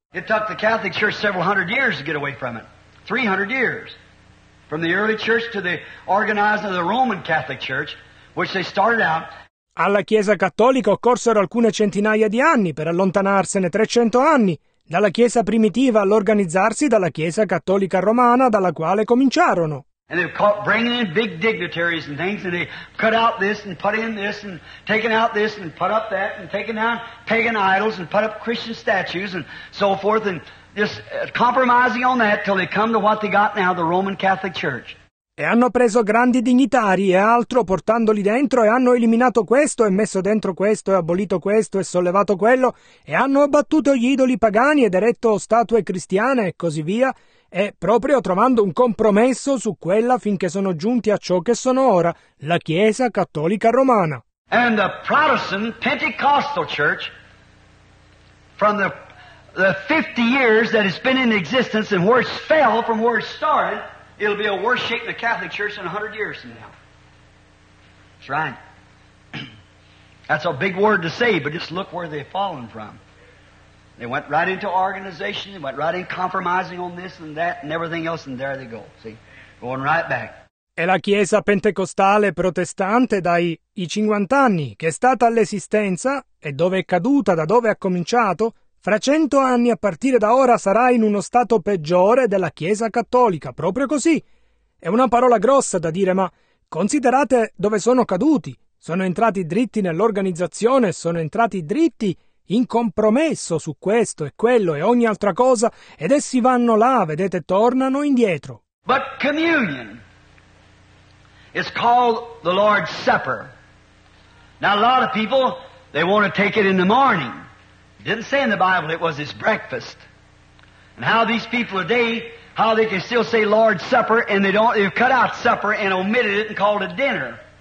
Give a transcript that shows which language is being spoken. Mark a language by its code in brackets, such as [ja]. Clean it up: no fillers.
[en] It took the Catholic Church several 100 years to get away from it. 300 years. From the early church to the organizing of the Roman Catholic Church, which they started out. [it] Alla Chiesa cattolica occorsero alcune centinaia di anni per allontanarsene, 300 anni. Dalla Chiesa primitiva all'organizzarsi dalla Chiesa cattolica romana dalla quale cominciarono. [en] And they caught bringing in big dignitaries and things, and they cut out this and put in this and taken out this and put up that and taken down pagan idols and put up Christian statues and so forth, and just compromising on that till they come to what they got now, the Roman Catholic Church. [it] E hanno preso grandi dignitari e altro portandoli dentro e hanno eliminato questo e messo dentro questo e abolito questo e sollevato quello e hanno abbattuto gli idoli pagani ed eretto statue cristiane e così via e proprio trovando un compromesso su quella finché sono giunti a ciò che sono ora, la Chiesa Cattolica Romana. [en] And the Protestant Pentecostal Church from the 50 years that it's been in existence and where it fell from where it started. It'll be a worse shape than the Catholic Church in 100 years from now. That's right. That's a big word to say, but just look where they've fallen from. They went right into organization, they went right in compromising on this and that and everything else, and there they go, see? Going right back. [it] E la Chiesa Pentecostale Protestante dai 50 anni, che è stata all'esistenza e dove è caduta, da dove ha cominciato, fra 100 anni a partire da ora sarà in uno stato peggiore della Chiesa Cattolica, proprio così. È una parola grossa da dire, ma considerate dove sono caduti. Sono entrati dritti nell'organizzazione, sono entrati dritti in compromesso su questo e quello e ogni altra cosa, ed essi vanno là, vedete, tornano indietro. [en] But communion is called the Lord's Supper. Now a lot of people, they want to take it in the morning. It didn't say in the Bible it was his breakfast. And how these people today, how they can still say Lord's Supper and they don't, they've cut out supper and omitted it and called it dinner.